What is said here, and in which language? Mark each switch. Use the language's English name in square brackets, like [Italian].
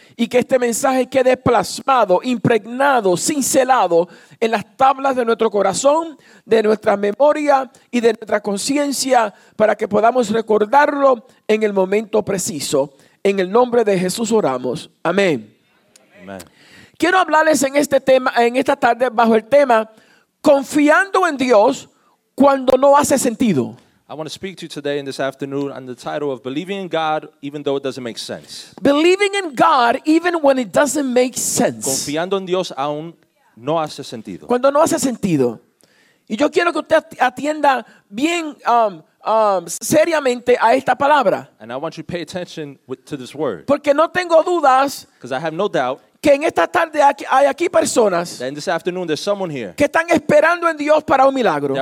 [Spanish] Y que este mensaje quede plasmado, impregnado, cincelado en las tablas de nuestro corazón, de nuestra memoria y de nuestra conciencia, para que podamos recordarlo en el momento preciso. En el nombre de Jesús oramos. Amén. Amén. Quiero hablarles en este tema, en esta tarde, bajo el tema confiando en Dios cuando no hace sentido. [English] I want to speak to you today and this afternoon under the title of believing in God even though it doesn't make sense. Believing in God even when it doesn't make sense. [Spanish] Confiando en Dios aún no hace sentido. Cuando no hace sentido. Y yo quiero que usted atienda bien seriamente a esta palabra. [English] And I want you to pay attention to this word. [Spanish] Porque no tengo dudas. [English] Because I have no doubt. [Spanish] Que en esta tarde hay aquí personas que están esperando en Dios para un milagro.